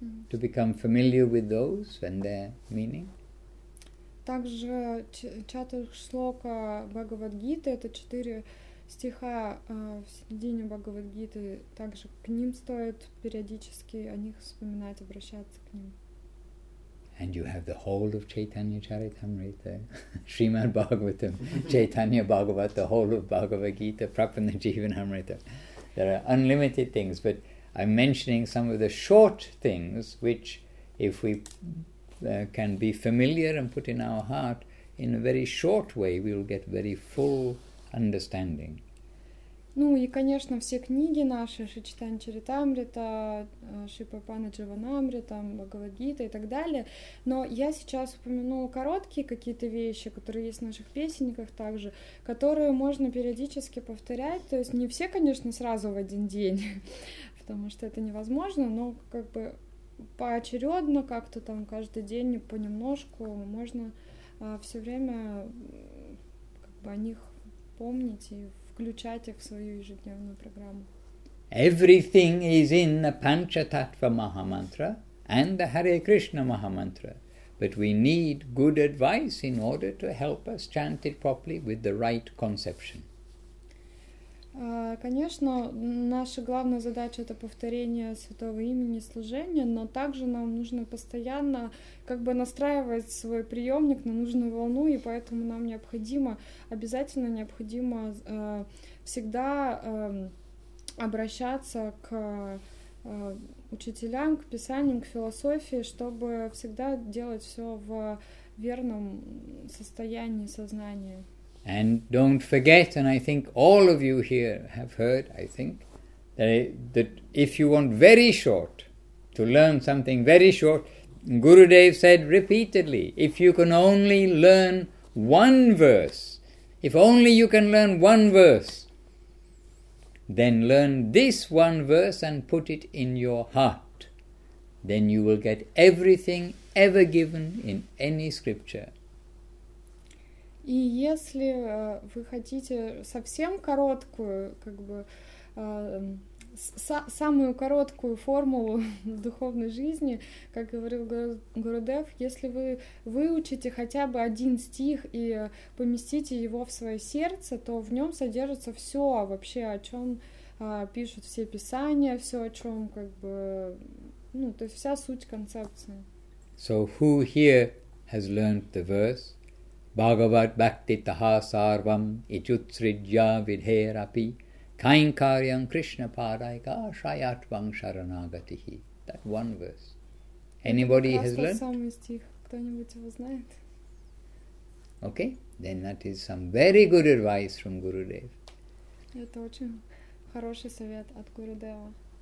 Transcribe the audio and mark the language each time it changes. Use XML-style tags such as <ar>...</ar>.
<en>To become familiar with those and their meaning.</en> <ru>Также чатушлока Бхагавадгиты, это четыре стиха в середине Бхагавадгиты, также к ним стоит периодически о них вспоминать, обращаться к ним.</ru> <en>And you have the whole of Chaitanya Charitamrita, Srimad Bhagavatam, Chaitanya Bhagavat, the whole of Bhagavad Gita, Prapanna Jivanamrita. There are unlimited things, but I'm mentioning some of the short things which, if we can be familiar and put in our heart, in a very short way, we will get very full understanding.</en> <ru>Ну и, конечно, все книги наши, Шри Чайтанья Чаритамрита, Шри Прапанна Дживанамрита, Бхагавад-гита и так далее. Но я сейчас упомяну короткие какие-то вещи, которые есть в наших песенниках также, которые можно периодически повторять. То есть не все, конечно, сразу в один день, потому что это невозможно, но как бы поочередно как-то там каждый день понемножку можно все время как бы о них помнить и включать их в свою ежедневную программу.</ru> <en>Everything is in the Panchatattva Mahamantra and the Hare Krishna Mahamantra, but we need good advice in order to help us chant it properly with the right conception.</en> <ru>Конечно, наша главная задача — это повторение святого имени служения, но также нам нужно постоянно как бы настраивать свой приемник на нужную волну, и поэтому нам необходимо всегда обращаться к учителям, к писаниям, к философии, чтобы всегда делать все в верном состоянии сознания.</ru> <en>And don't forget, and I think all of you here have heard, I think, that if you want very short, to learn something very short, Gurudev said repeatedly, if you can only learn one verse, if only you can learn one verse, then learn this one verse and put it in your heart. Then you will get everything ever given in any scripture.</en> <ru>И если вы хотите совсем короткую, как бы самую короткую формулу духовной жизни, как говорил Гурудев, если вы выучите хотя бы один стих и поместите его в свое сердце, то в нем содержится все вообще, о чем пишут все писания, все о чем, как бы, ну, то есть вся суть концепции.</ru> <en>So who here has learned the verse?</en> <sa>Bhagavad Bhakti Taha Sarvam Ichutsridya Vidherapi Kainkaryam Krishna Paraika Shayatvam Sharanagatihi.</sa> <en>That one verse. Anybody has learned?</en> <ru>Самый стих. Кто-нибудь его знает?</ru> <en>Okay, then that is some very good advice from Gurudev.</en> <ru>Это очень хороший совет от Гурудева.</ru>